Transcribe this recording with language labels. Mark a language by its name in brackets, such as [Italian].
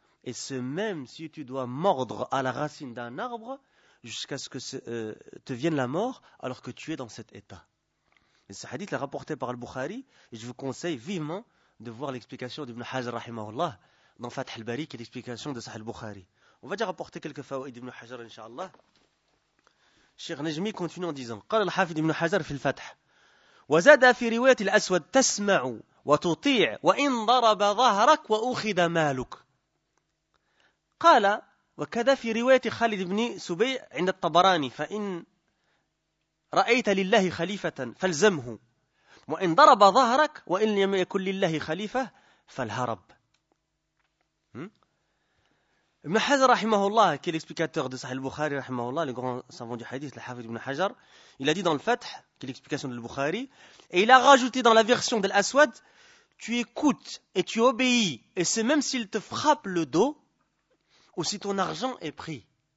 [French] Et ce même si tu dois mordre à la racine d'un arbre jusqu'à ce que te vienne la mort alors que tu es dans cet état. Et ce hadith est rapporté par Al-Bukhari et je vous conseille vivement de voir l'explication d'Ibn Hajar rahimahullah dans Fath al-Bari qui est l'explication de Sahih al-Bukhari. On va déjà rapporter quelques fawaïd d'Ibn Hajar inshallah. Cheikh Najmi continue en disant: [Arabic] قال الحافظ ابن حجر في الفتح وزاد في رواية الأسود تسمع وتطيع وإن ضرب ظهرك وأخذ مالك. قال وكذا في رواية خالد بن سبيع عند الطبراني فإن رأيت لله خليفة فالزمه وإن ضرب ظهرك وإن لم يكن لله خليفة فالهرب. [French] Ibn Hajar, rahimahullah, qui est l'explicateur de Sahih al-Bukhari, rahimahullah, le grand savant du hadith, le Hafid ibn Hajar, il a dit dans le Fath, qui est l'explication de Al-Bukhari, et il a rajouté dans la version de l'Aswad, tu écoutes et tu obéis, et c'est même s'il te frappe le dos, ou si ton argent est pris.